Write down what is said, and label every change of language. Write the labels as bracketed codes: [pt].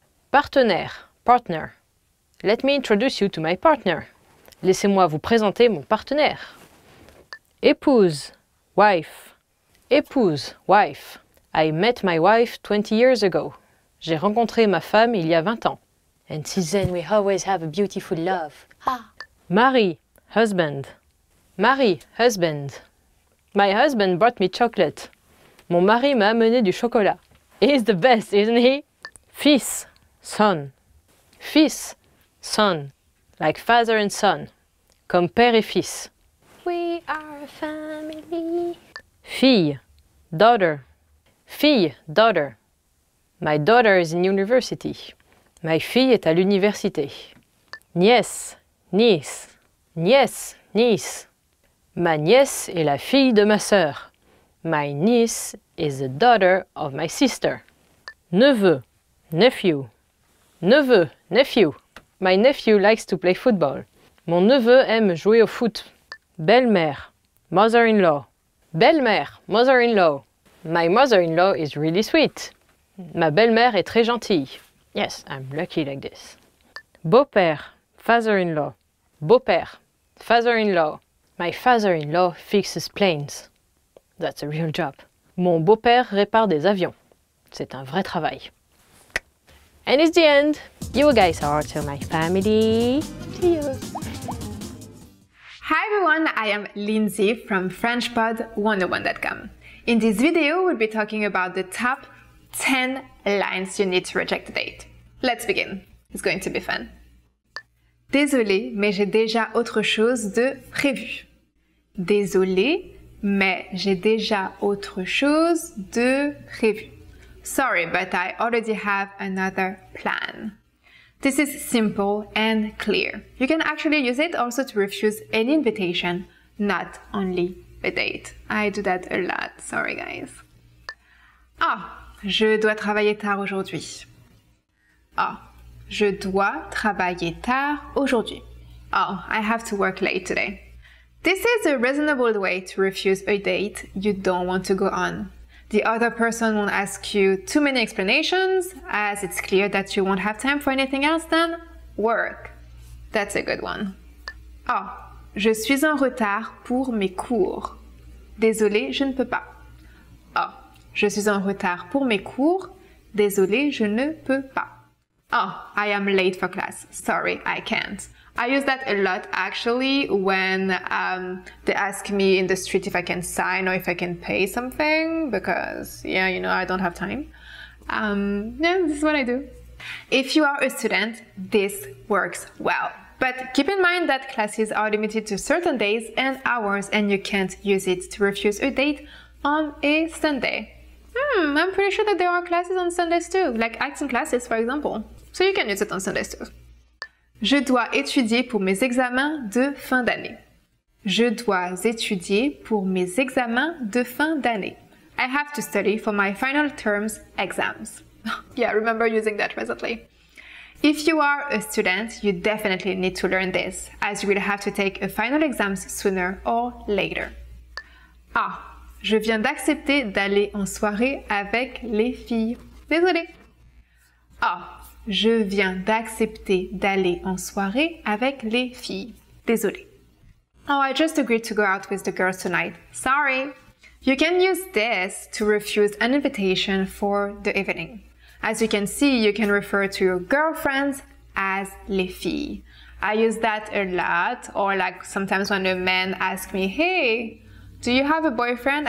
[en] Partenaire, partner. Let me introduce you to my partner. [fr] Laissez-moi vous présenter mon partenaire. Épouse, wife. [en] Épouse, wife. I met my wife 20 years ago. [fr] J'ai rencontré ma femme il y a 20 ans. [en] And since then we always have a beautiful love. Ah. Mari, husband. Mari, husband. My husband brought me chocolate. [fr] Mon mari m'a amené du chocolat. [en] He's the best, isn't he? Fils, son. Fils, son. Like father and son. [fr] Comme père et fils. [en] We are a family. Fille, daughter. Fille, daughter. My daughter is in university. [fr] My fille est à l'université. [en] Nièce, niece. Nièce, niece. [fr] Ma nièce est la fille de ma sœur. [en] My niece is the daughter of my sister. Neveu, nephew. Neveu, nephew. My nephew likes to play football. [fr] Mon neveu aime jouer au foot. [en] Belle-mère, mother-in-law. Belle-mère, mother-in-law. My mother-in-law is really sweet. [fr] Ma belle-mère est très gentille. [en] Yes, I'm lucky like this. Beau-père, father-in-law. Beau-père, father-in-law. My father-in-law fixes planes. That's a real job. [fr] Mon beau-père répare des avions. C'est un vrai travail. [en] And it's the end. You guys are to my family. To you. Hi everyone, I am Lindsay from FrenchPod101.com. In this video, we'll be talking about the top 10 lines you need to reject a date. Let's begin. It's going to be fun. [fr] Désolé, mais j'ai déjà autre chose de prévu. Désolé, mais j'ai déjà autre chose de prévu. [en] Sorry, but I already have another plan. This is simple and clear. You can actually use it also to refuse any invitation, not only a date. I do that a lot, sorry guys. [fr] Ah, je dois travailler tard aujourd'hui. Ah, je dois travailler tard aujourd'hui. [en] Oh, I have to work late today. This is a reasonable way to refuse a date you don't want to go on. The other person won't ask you too many explanations, as it's clear that you won't have time for anything else than work. That's a good one. [fr] Oh, je suis en retard pour mes cours. Désolé, je ne peux pas. Oh, je suis en retard pour mes cours. Désolé, je ne peux pas. [en] Oh, I am late for class. Sorry, I can't. I use that a lot, actually, when they ask me in the street if I can sign or if I can pay something, because, yeah, you know, I don't have time. Yeah, this is what I do. If you are a student, this works well. But keep in mind that classes are limited to certain days and hours, and you can't use it to refuse a date on a Sunday. I'm pretty sure that there are classes on Sundays too, like acting classes, for example. So you can use it on Sundays too. [fr] Je dois étudier pour mes examens de fin d'année. Je dois étudier pour mes examens de fin d'année. [en] I have to study for my final term's exams. Yeah, remember using that recently. If you are a student, you definitely need to learn this, as you will have to take a final exam sooner or later. [fr] Ah, je viens d'accepter d'aller en soirée avec les filles. Désolée. Ah, Je viens d'accepter d'aller en soirée avec les filles. Désolée. [en] Oh, I just agreed to go out with the girls tonight. Sorry. You can use this to refuse an invitation for the evening. As you can see, you can refer to your girlfriends as les filles. I use that a lot, or like sometimes when a man asks me, hey, do you have a boyfriend?